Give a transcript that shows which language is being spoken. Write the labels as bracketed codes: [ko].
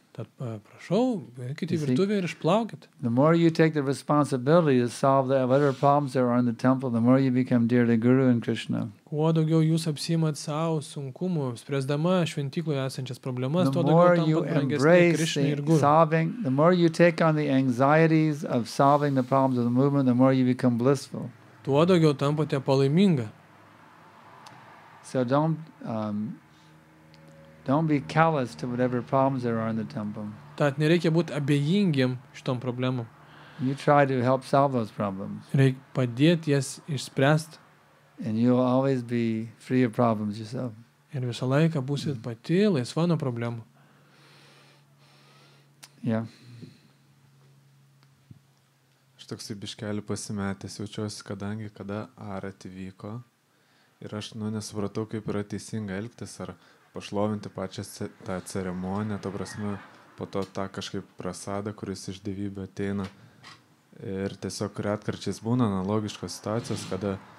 [lt] Tad prašau, eikit į virtuvę ir išplaukit. [en] The more you take the responsibility to solve the whatever problems there are in the temple, the more you become dear to Guru and Krishna. [lt] Kuo daugiau jūs apsiimat savo sunkumų, spręsdama šventykloje esančias problemas, [en] the [lt] tuo daugiau tampa brangesnė Krishna ir Guru. [en] Solving, the more you take on the anxieties of solving the problems of the movement, the more you become blissful. [lt] Tuo daugiau tampate palaiminga. [en] So don't be callous to whatever problems there are in the temple. [lt] Tad nereikia būti abejingiem šitom problemom. [en] You try to help solve those problems. [lt] Reik padėti jas išspręsti. [en] And you'll always be free of problems yourself. [lt] Ir visą laiką būsit pati laisva nuo problemų. [en] Yeah. [lt] Aš toksai biškelį pasimetęs jaučiuosi, kadangi kada ar atvyko. Ir aš nesupratau, kaip yra teisinga elgtis ar pašlovinti pačią tą ceremoniją, to prasme, po to tą kažkaip prasadą, kuris iš dievybių ateina. Ir tiesiog retkarčiais būna analogiškos situacijos, kada